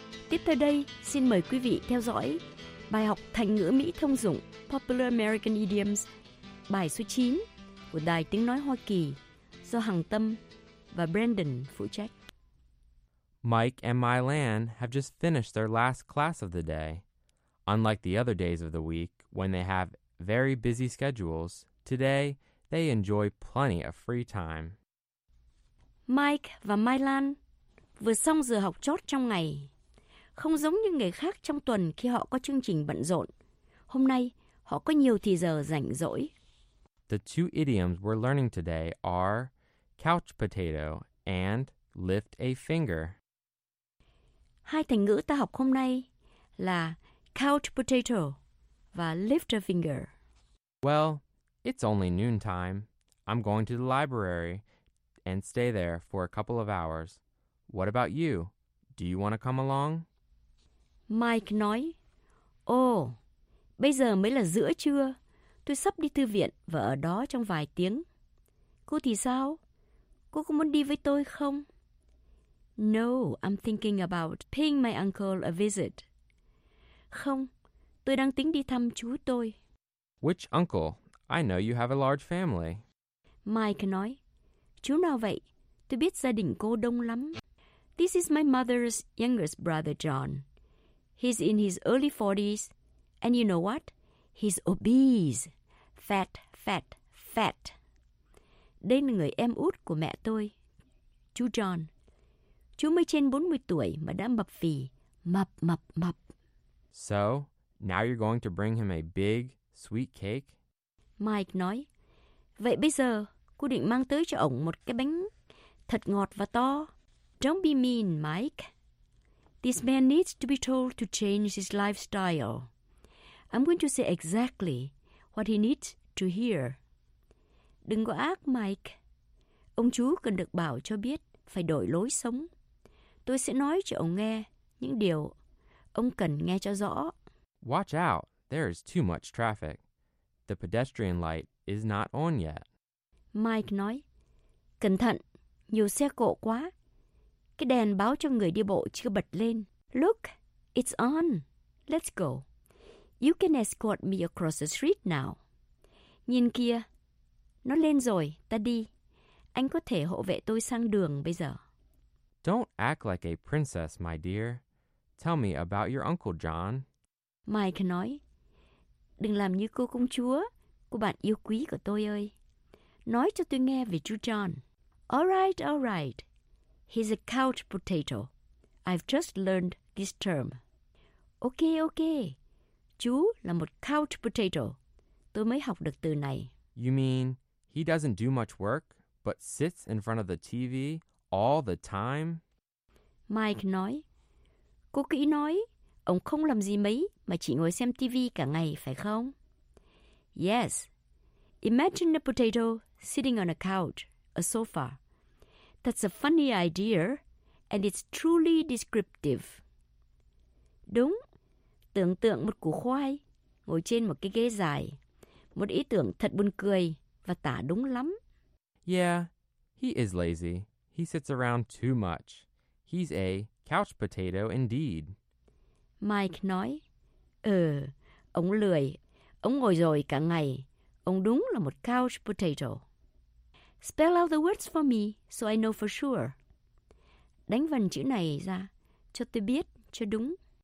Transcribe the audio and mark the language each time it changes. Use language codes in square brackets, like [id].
[vi] Tiếp theo đây, xin mời quý vị theo dõi bài học thành ngữ Mỹ thông dụng [en] Popular American Idioms, [vi] bài số 9 của Đài Tiếng Nói Hoa Kỳ do Hằng Tâm và Brandon phụ trách. [en] Mike and Mylan have just finished their last class of the day. Unlike the other days of the week, when they have very busy schedules, today they enjoy plenty of free time. [vi] Mike và Mylan vừa xong giờ học chót trong ngày. Không giống như ngày khác trong tuần khi họ có chương trình bận rộn, hôm nay họ có nhiều thì giờ rảnh rỗi. [en] The two idioms we're learning today are couch potato and lift a finger. [vi] Hai thành ngữ ta học hôm nay là couch potato và [en] lift a finger. Well, it's only noontime. I'm going to the library and stay there for a couple of hours. What about you? Do you want to come along? [vi] Mike nói, bây giờ mới là giữa trưa. Tôi sắp đi thư viện và ở đó trong vài tiếng. Cô thì sao? Cô có muốn đi với tôi không? [en] No, I'm thinking about paying my uncle a visit. [vi] Không, tôi đang tính đi thăm chú tôi. [en] Which uncle? I know you have a large family. [vi] Mike nói, chú nào vậy? Tôi biết gia đình cô đông lắm. [en] This is my mother's youngest brother, John. He's in his early 40s, and you know what? He's obese. Fat, fat, fat. [vi] Đây là người em út của mẹ tôi, chú John. Chú mới trên 40 tuổi mà đã mập phì, mập, mập, mập. [en] So, now you're going to bring him a big, sweet cake? [vi] Mike nói, vậy bây giờ, cô định mang tới cho ổng một cái bánh thật ngọt và to. [en] Don't be mean, Mike. This man needs to be told to change his lifestyle. I'm going to say exactly what he needs to hear. [vi] Đừng có ác, Mike. Ông chú cần được bảo cho biết phải đổi lối sống. Tôi sẽ nói cho ông nghe những điều ông cần nghe cho rõ. [en] Watch out, there is too much traffic. The pedestrian light is not on yet. [vi] Mike nói, cẩn thận, nhiều xe cộ quá. Cái đèn báo cho người đi bộ chưa bật lên. [en] Look, it's on. Let's go. You can escort me across the street now. [vi] Nhìn kia, nó lên rồi, ta đi. Anh có thể hộ vệ tôi sang đường bây giờ. [en] Don't act like a princess, my dear. Tell me about your uncle John. [vi] Mike nói, đừng làm như cô công chúa, cô bạn yêu quý của tôi ơi. Nói cho tôi nghe về chú John. [en] All right, all right. He's a couch potato. I've just learned this term. [vi] Okay, okay. Chú là một couch potato. Tôi mới học được từ này. [en] You mean he doesn't do much work, but sits in front of the TV all the time? [vi] Mike nói, cô kỹ nói, ông không làm gì mấy mà chỉ ngồi xem TV cả ngày, phải không? [en] Yes. Imagine a potato sitting on a couch, a sofa. That's a funny idea, and it's truly descriptive. [vi] Đúng, tưởng tượng một củ khoai ngồi trên một cái ghế dài. Một ý tưởng thật buồn cười và tả đúng lắm. [en] Yeah, he is lazy. He sits around too much. He's a couch potato indeed. [vi] Mike nói, ông lười. Ông ngồi rồi cả ngày. Ông đúng là một couch potato. [en] Spell out the words for me so I know for sure. [vi] Đánh vần chữ này ra cho tôi biết cho đúng.